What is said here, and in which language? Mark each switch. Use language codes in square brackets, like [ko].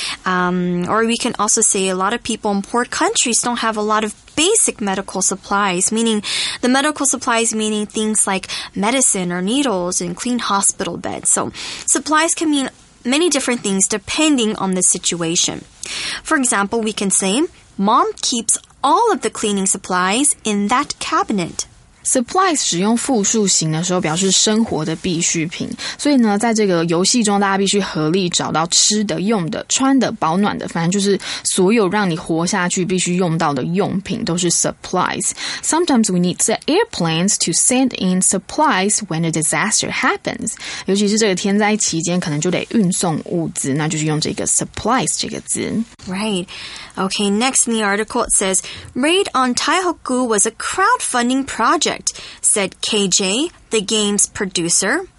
[en] Or we can also say a lot of people in poor countries don't have a lot of basic medical supplies, meaning the medical supplies meaning things like medicine or needles and clean hospital beds. So supplies can mean many different things depending on the situation. For example, we can say, Mom keeps all of the cleaning supplies in that cabinet. [zh] Supplies 使用复数型的时候表示生活的必需品。所以呢在这个游戏中大家必须合力找到吃的、用的、穿的、保暖的，反正就是所有让你活下去必须用到的用品都是 supplies. [en] Sometimes we need the airplanes to send in supplies when a disaster happens. [zh] 尤其是这个天灾期间可能就得运送物资，那就是用这个 supplies 这个字。 [en] Right. Okay, next in the article it says, Raid on Taihoku was a crowdfunding project, said KJ, the game's producer.